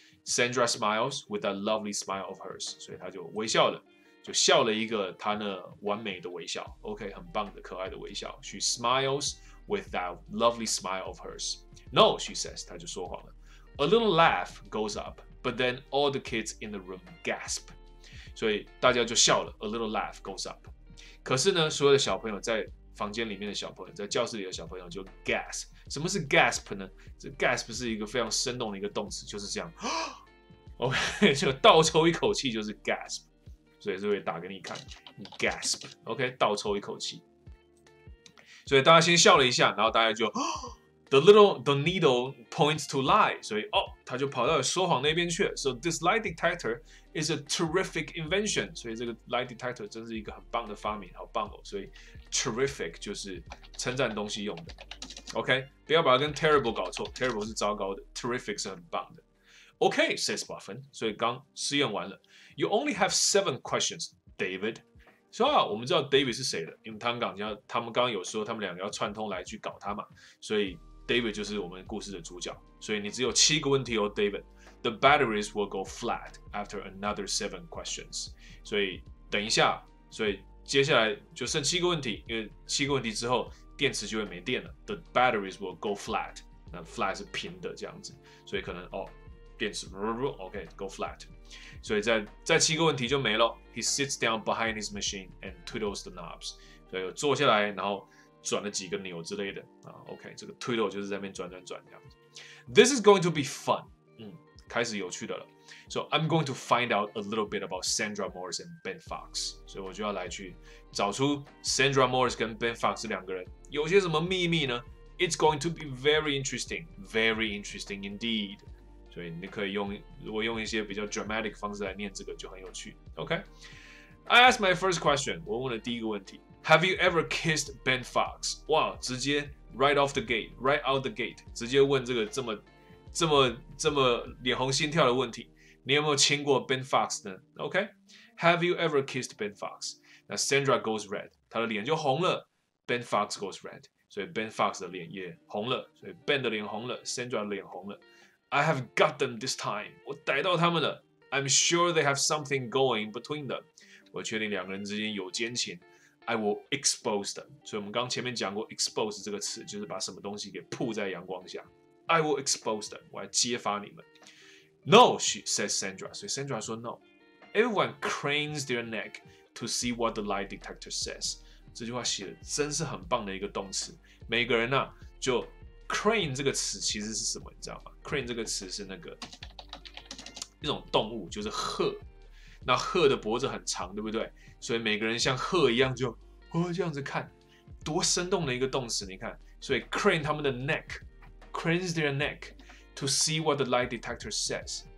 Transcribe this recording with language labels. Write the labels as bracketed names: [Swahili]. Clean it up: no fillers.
[English] Sandra smiles with that lovely smile of hers. [Chinese] 所以他就微笑了。就笑了一个他那完美的微笑 ，OK， 很棒的可爱的微笑。 [English] She smiles with that lovely smile of hers. No, she says. [Chinese] 他就说谎了。 [English] A little laugh goes up, but then all the kids in the room gasp. [Chinese] 所以大家就笑了。 [English] A little laugh goes up. [Chinese] 可是呢，所有的小朋友在房间里面的小朋友，在教室里的小朋友就 gasp。什么是 gasp 呢？这 gasp 是一个非常生动的一个动词，就是这样。 OK， 就倒抽一口气就是 gasp。所以就会打给你看 ，gasp， OK， 倒抽一口气。所以大家先笑了一下，然后大家就、哦、 [English] the needle points to lie， [Chinese] 所以哦，他就跑到说谎那边去了。 [English] So this lie detector is a terrific invention， [Chinese] 所以这个 lie detector 真是一个很棒的发明，好棒哦。所以 terrific 就是称赞东西用的 ，OK， 不要把它跟 terrible 搞错 ，terrible 是糟糕的 ，terrific 是很棒的。 [English] Okay, says Buffon. [Chinese] 所以刚试验完了。 [English] You only have 7 questions, David. [Chinese] 说、啊、我们知道 David 是谁了，因为汤港他们刚刚有说他们两个要串通来去搞他嘛，所以 David 就是我们故事的主角。所以你只有7个问题哦 ，David. [English] The batteries will go flat after another 7 questions. [Chinese] 所以等一下，所以接下来就剩7个问题，因为7个问题之后电池就会没电了。 [English] The batteries will go flat. [Chinese] 那 flat 是平的这样子，所以可能哦。电池 ，OK, go flat. 所以在7个问题就没了。 [English] He sits down behind his machine and twiddles the knobs. [Chinese] 所以坐下来，然后转了几个钮之类的啊。 OK, 这个 twiddle 就是在那边转转转这样子。 [English] This is going to be fun. [Chinese] 开始有趣的了。 [English] So I'm going to find out a little bit about Sandra Morris and Ben Fox. [Chinese] 所以我就要来去找出 Sandra Morris 跟 Ben Fox 这两个人有些什么秘密呢 ？ [English] It's going to be very interesting indeed. [Chinese] 所以你可以用，如果用一些比较 dramatic 方式来念这个就很有趣。 [English] OK, I ask my first question. [Chinese] 我问了第一个问题 [English] ：Have you ever kissed Ben Fox? [Chinese] 哇，直接 [English] right out the gate， [Chinese] 直接问这个这么脸红心跳的问题。你有没有亲过 Ben Fox 呢 ？OK, [English] Have you ever kissed Ben Fox? [Chinese] 那 [English] Sandra goes red， [Chinese] 她的脸就红了。 [English] Ben Fox goes red， [Chinese] 所以 Ben Fox 的脸也红了，所以 Ben 的脸红了 ，Sandra 的脸红了。 [English] I have got them this time. [Chinese] 我逮到他们了。 [English] I'm sure they have something going between them. [Chinese] 我确定两个人之间有奸情。 [English] I will expose them. [Chinese] 所以我们刚前面讲过 expose 这个词，就是把什么东西给曝在阳光下。 [English] I will expose them. [Chinese] 我要揭发你们。 [English] No, she says Sandra. [Chinese] 所以 Sandra 说 [English] no. Everyone cranes their neck to see what the lie detector says. [Chinese] 这句话写的真是很棒的一个动词。每个人呢、啊、就。Crane 这个词其实是什么，你知道吗 ？Crane 这个词是那个一种动物，就是鹤。那鹤的脖子很长，对不对？所以每个人像鹤一样就，这样子看，多生动的一个动词。你看，所以 crane 他们的 neck， [English] cranes their neck to see what the lie detector says。